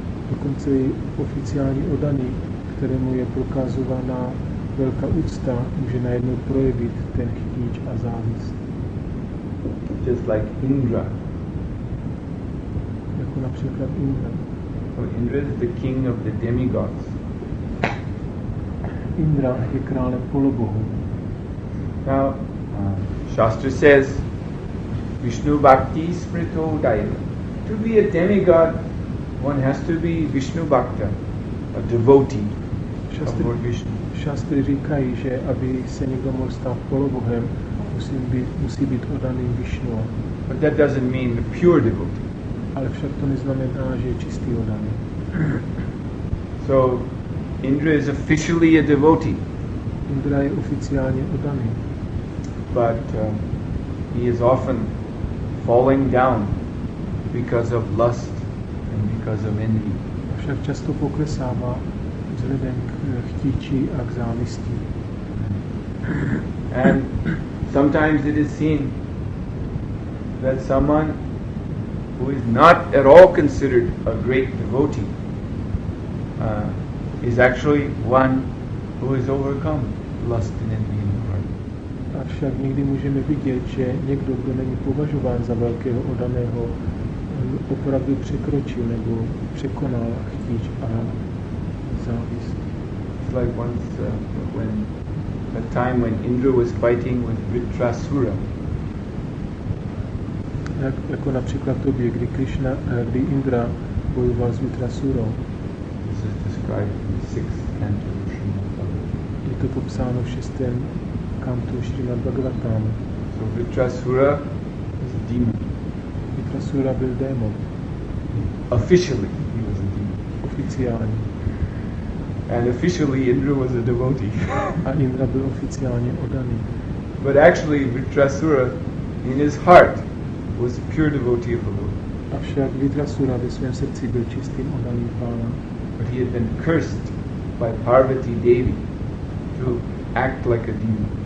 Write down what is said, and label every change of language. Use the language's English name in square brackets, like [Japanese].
[Czech] Dokonce i oficiální oddaný, kterému je prokazována velká úcta, může najednou projevit ten chtíč a závist. [English] Just like Indra. [Czech] Jako například Indra. [English] So Indra is the king of the demigods. [Czech] Indra je králem polobohů. [English] Now, Shastra says, [Sanskrit] Vishnu bhakti smrito daiva. [English] To be a demigod, one has to be Vishnu Bhakta, a devotee of Lord Vishnu. [Czech] Šastry říkají, že aby se někdo mohl stát polobohem, musí být oddaným Vishnu. [English] But that doesn't mean a pure devotee. [Czech] Ale však to neznamená, že je čistý oddaný. [English] So Indra is officially a devotee. [Czech] Indra je oficiálně oddaný. [English] But he is often falling down because of lust and because of envy. [Czech] Však často poklesává vzhledem k chtíči a k závistí. [English] And sometimes it is seen that someone who is not at all considered a great devotee is actually one who is overcome lust and envy in the heart. [Czech] Avšak někdy můžeme vidět, že někdo, kdo není považován za velkého oddaného, opravdu překročil nebo překonal chtíč a závist. [English] It's like once when a time when Indra was fighting with Vritrasura. [Czech] Jako například to bylo, kdy Krishna, kdy Indra bojoval s Vritrasurou. [English] This is described in the sixth canto of Srimad Bhagavatam. [Czech] Je to popsáno v šestém kantu Srimad Bhagavatam. [English] So Vritrasura is a demon. [Czech] Vritrasura byl démon. [English] Officially, he was a demon. [Czech] Oficiálně. [English] And officially Indra was a devotee. [Czech] A Indra byl oficiálně oddaný. [English] But actually Vritrasura in his heart was a pure devotee of the Lord. [Czech] Avšak Vritrasura ve svém srdci byl čistým oddaným pána. [English] But he had been cursed by Parvati Devi to act like a demon.